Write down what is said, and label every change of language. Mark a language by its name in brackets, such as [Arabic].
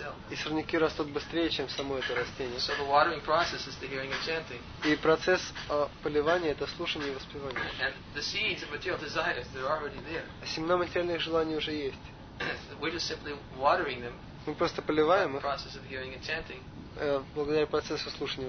[Russian] И сорняки растут быстрее, чем само это растение. [English] So the watering process is the hearing and chanting. [Russian] И процесс поливания — это слушание и воспевание. [English] And the seeds of material desires, they're already there. [Russian] А семена материальных желаний уже есть. [English] We're just simply watering them. [Russian] Мы просто поливаем их. [English] The process of hearing and chanting. [Russian] благодаря процессу слушания